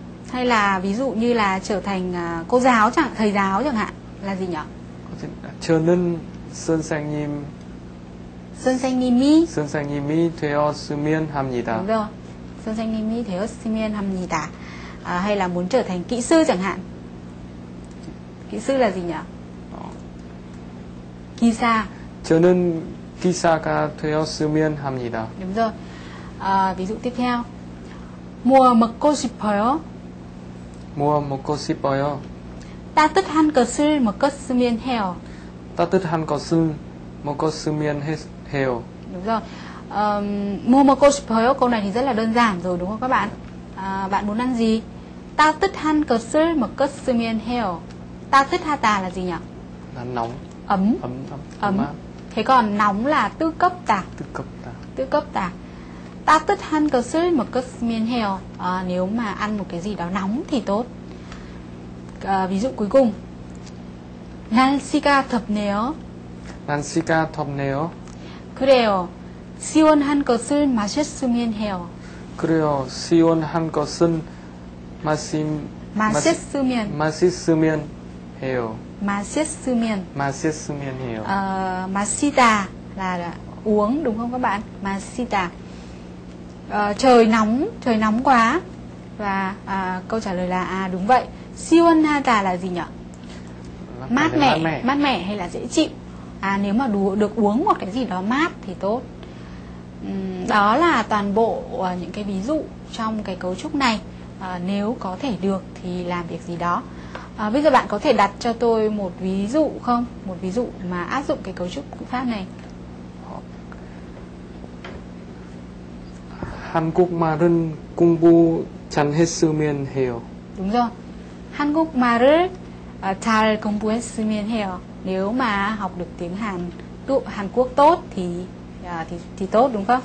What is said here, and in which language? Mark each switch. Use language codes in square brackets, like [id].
[vi] Hay là ví dụ như là trở thành cô giáo chẳng hạn, thầy giáo chẳng hạn là gì nhỉ? [ko] 저는 선생님 선생님이 선생님이 되었으면 합니다. 그죠? 선생님이 되었으면 합니다. [vi] Hay là muốn trở thành kỹ sư chẳng hạn. Kỹ sư là gì nhỉ? [ko] 기사. 저는 기사가 되었으면 합니다. 그죠? [vi] Ví dụ tiếp theo. [ko] 뭐 먹고 싶어요? 뭐 먹고 싶어요? 따뜻한 것을 먹었으면 해요. 따뜻한 것을 먹었으면 해요. 그죠? 뭐 먹고 싶어요? [vi] Câu này thì rất là đơn giản rồi đúng không các bạn? Bạn muốn ăn gì? [ko] 따뜻한 것을 먹었으면 해요. [vi] 따뜻하다 là gì nhỉ? Là nóng. Ấm. Ấm. Ấm. Ấm. Thế còn nóng là tư cấp tà. Tư cấp tà. Tư cấp tà. [ko] 따뜻한 것을 먹었으면 해요. [vi] Nếu mà ăn một cái gì đó nóng thì tốt. Ví dụ cuối cùng. [ko] 날씨가 덥네요. 날씨가 덥네요. 그래요. 시원한 것을 마셨으면 해요. 그래요. 시원한 것은 마심 마셨으면 마셨으면 해요. 마셨으면 마셨으면 해요. [vi] 마시다 là uống đúng không các bạn? 마시다. Trời nóng quá. Và câu trả lời là đúng vậy. 시원하다 là gì nhỉ? Mát mẻ, mát mẻ hay là dễ chịu. Nếu mà được uống một cái gì đó mát thì tốt. Đó là toàn bộ những cái ví dụ trong cái cấu trúc này. Nếu có thể được thì làm việc gì đó. Bây giờ bạn có thể đặt cho tôi một ví dụ không? Một ví dụ mà áp dụng cái cấu trúc cụ pháp này. [ko] 한국말은 공부 잘 했으면 해요. [vi] đúng rồi. [ko] 한국말을 잘 공부했으면 해요. [vi] Nếu mà học được tiếng Hàn, Hàn Quốc tốt thì tốt đúng không?